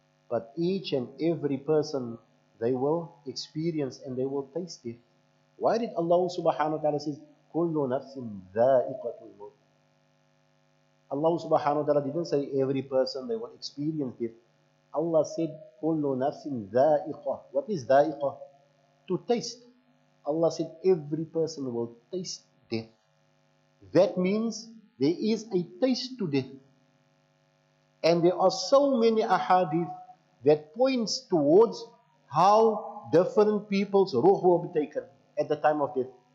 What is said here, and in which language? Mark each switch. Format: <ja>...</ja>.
<en>But each and every person, they will experience and they will taste death. Why did Allah subhanahu wa ta'ala say,</en> <ar>كُلُّ نَفْسٍ ذَائِقَةُ الْمَوْتِ?</ar> <en>Allah subhanahu wa ta'ala didn't say every person, they will experience death. Allah said,</en> <ar>كُلُّ نَفْسٍ ذَائِقَةُ.</ar> <en>What is</en> <ar>ذَائِقَةُ?</ar> <en>To taste. Allah said, every person will taste death. That means there is a taste to death. And there are so many ahadith that points towards how different people's ruh will be taken at the time of death.</en>